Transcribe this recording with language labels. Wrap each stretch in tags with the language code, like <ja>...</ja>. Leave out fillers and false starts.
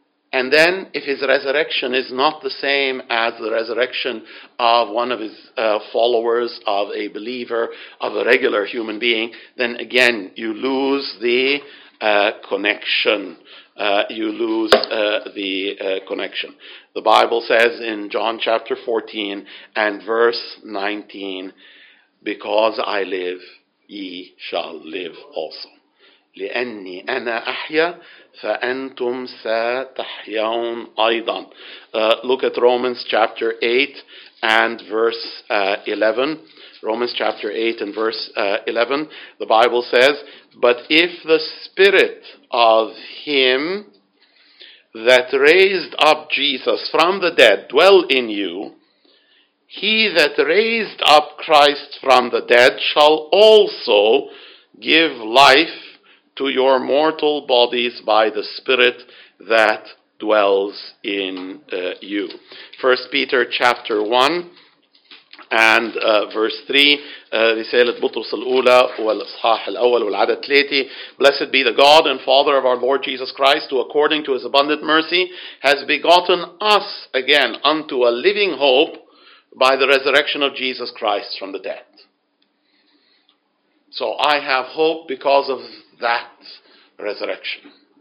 <en>And then if his resurrection is not the same as the resurrection of one of his followers, of a believer, of a regular human being, then again you lose the connection. The Bible says in John chapter 14 and verse 19, because I live, ye shall live also.</en> <ar>لأني أنا أحيا فأنتم ستحيون أيضا.</ar> <en>Look at Romans chapter 8 and verse 11. Romans chapter 8 and verse 11. The Bible says, but if the spirit of him that raised up Jesus from the dead dwell in you, he that raised up Christ from the dead shall also give life to your mortal bodies by the Spirit that dwells in you. 1 Peter chapter 1 and verse 3,</en> <ar>رسالة بطرس الأولى والإصحاح الأول والعدد 3.</ar> <en>Blessed be the God and Father of our Lord Jesus Christ, who according to his abundant mercy has begotten us again unto a living hope by the resurrection of Jesus Christ from the dead. So I have hope because of that resurrection.</en>